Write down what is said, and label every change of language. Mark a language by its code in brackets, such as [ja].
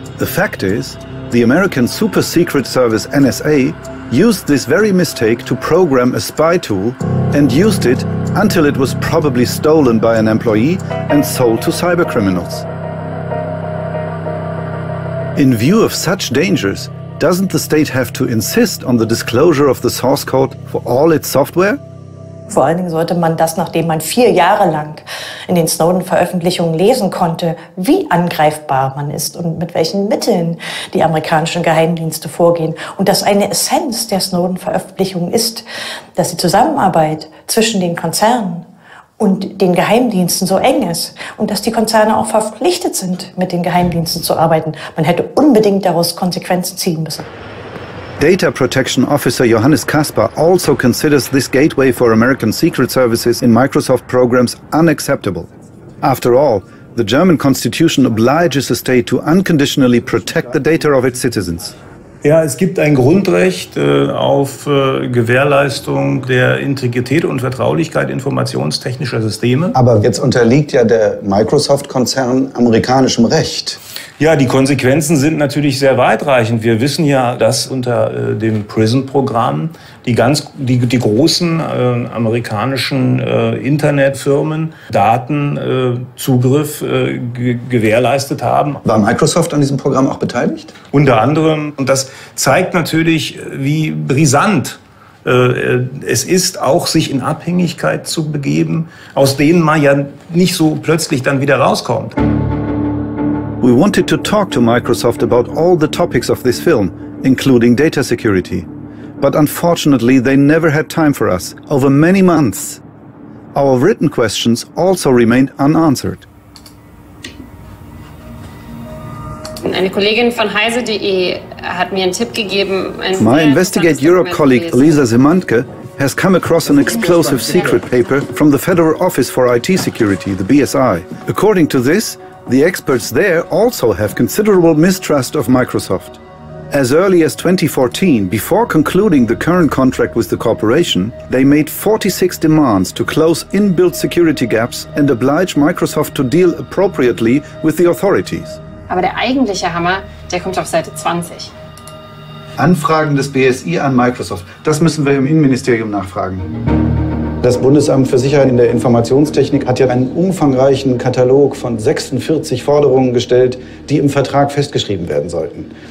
[en] The fact is, the American super secret service NSA used this very mistake to program a spy tool and used it until it was probably stolen by an employee and sold to cybercriminals. In view of such dangers, doesn't the state have to insist on the disclosure of the source code for all its software? [de] Vor allen Dingen sollte man das, nachdem man 4 Jahre lang in den Snowden-Veröffentlichungen lesen konnte, wie angreifbar man ist und mit welchen Mitteln die amerikanischen Geheimdienste vorgehen. Und dass eine Essenz der Snowden-Veröffentlichungen ist, dass die Zusammenarbeit zwischen den Konzernen und den Geheimdiensten so eng ist und dass die Konzerne auch verpflichtet sind, mit den Geheimdiensten zu arbeiten. Man hätte unbedingt daraus Konsequenzen ziehen müssen. [en] Data Protection Officer Johannes Kasper also considers this gateway for American secret services in Microsoft programs unacceptable. After all, the German Constitution obliges a state to unconditionally protect the data of its citizens. [de] Ja, es gibt ein Grundrecht auf Gewährleistung der Integrität und Vertraulichkeit informationstechnischer Systeme. Aber jetzt unterliegt ja der Microsoft-Konzern amerikanischem Recht. Ja, die Konsequenzen sind natürlich sehr weitreichend. Wir wissen ja, dass unter dem PRISM-Programm die großen amerikanischen Internetfirmen Datenzugriff gewährleistet haben. War Microsoft an diesem Programm auch beteiligt? Unter anderem. Und das zeigt natürlich, wie brisant es ist, auch sich in Abhängigkeit zu begeben, aus denen man ja nicht so plötzlich dann wieder rauskommt. [en] We wanted to talk to Microsoft about all the topics of this film, including data security. But unfortunately, they never had time for us over many months. Our written questions also remained unanswered. [de] Eine Kollegin von heise.de hat mir einen Tipp gegeben. [en] My Investigate Europe colleague Lisa Simantke has come across an explosive secret paper from the Federal Office for IT Security, the BSI. According to this, the experts there also have considerable mistrust of Microsoft. As early as 2014, before concluding the current contract with the corporation, they made 46 demands to close inbuilt security gaps and oblige Microsoft to deal appropriately with the authorities. [de] Aber der eigentliche Hammer, der kommt auf Seite 20. Anfragen des BSI an Microsoft, das müssen wir im Innenministerium nachfragen. Das Bundesamt für Sicherheit in der Informationstechnik hat ja einen umfangreichen Katalog von 46 Forderungen gestellt, die im Vertrag festgeschrieben werden sollten.